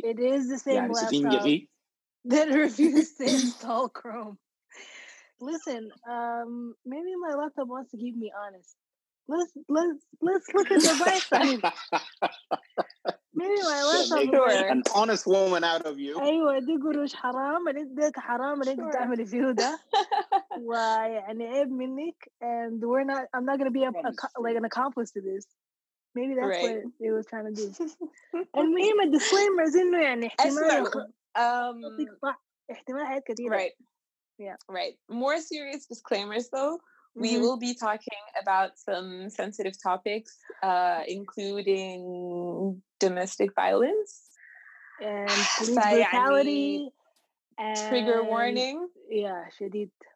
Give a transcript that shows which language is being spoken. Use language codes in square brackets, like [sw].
[en] It is the same laptop that refused to install Chrome. Listen, maybe my laptop wants to keep me honest. Let's look at the bright side. Maybe my laptop sure. An honest woman out of you. [ar] أيوة دي قروش حرام اللي ديك حرام اللي انت تعمل فيه ده ويعني عيب منك [en] and we're not I'm not going to be like an accomplice to this. Maybe that's right. What it was trying to do. [ar] المهم الديسكليمرز انه يعني احتمال حيات كثيرة. [en] Right. Yeah. Right. More serious disclaimers, though. Mm-hmm. We will be talking about some sensitive topics, including domestic violence and police brutality. Trigger warning. Yeah, [ar] شديد.